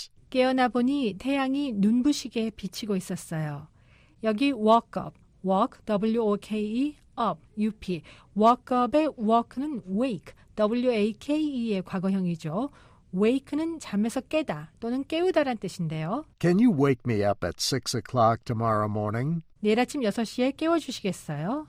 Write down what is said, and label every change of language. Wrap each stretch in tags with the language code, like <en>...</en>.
<ko>깨어나 보니 태양이 눈부시게 비치고 있었어요. 여기 walk up, walk, W-O-K-E, up, U-P. walk up의 walk는 wake, W-A-K-E의 과거형이죠. wake는 잠에서 깨다 또는 깨우다란 뜻인데요.</ko> <en>Can you wake me up at 6 o'clock tomorrow morning?</en> <ko>내일 아침 6시에 깨워주시겠어요?</ko>